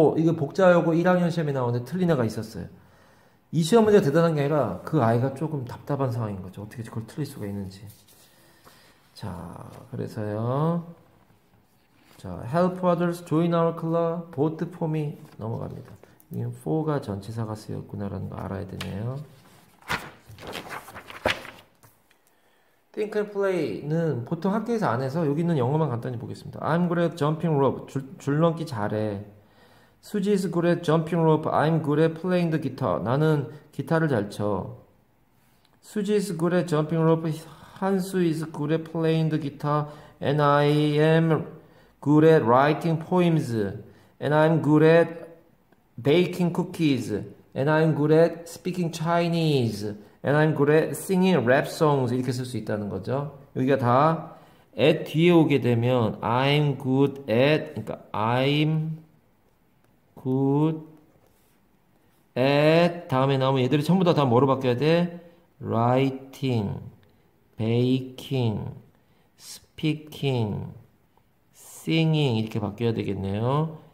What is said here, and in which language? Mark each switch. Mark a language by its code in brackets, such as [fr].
[ko] 이거 복좌하고 1학년 시험에 나오는데 틀린 애가 있었어요. 이 시험 문제가 대단한 게 아니라 그 아이가 조금 답답한 상황인 거죠. 어떻게 그걸 틀릴 수가 있는지. 그래서요. [en] help others, join our club, vote for me. [ko] 넘어갑니다. 이건 4가 전치사가 쓰였구나라는 거 알아야 되네요. Think and play는 보통 학교에서 안 해서 여기 있는 영어만 간단히 보겠습니다. [en] I'm good at jumping rope. [ko] 줄넘기 잘해. [en] Suji is good at jumping rope. I'm good at playing the guitar. [ko] 나는 기타를 잘 쳐. [en] Suji is good at jumping rope. Hansu is good at playing the guitar. And I am good at writing poems, and I'm good at baking cookies, and I'm good at speaking Chinese, and I'm good at singing rap songs. [ko] 이렇게 쓸수 있다는 거죠. 여기가 다 at 뒤에 오게 되면 I'm good at, 그러니까 I'm good at 다음에 나오면 얘들이 전부 다 뭐로 바뀌어야 돼? [en] writing, baking, speaking, singing [ko] 이렇게 바뀌어야 되겠네요.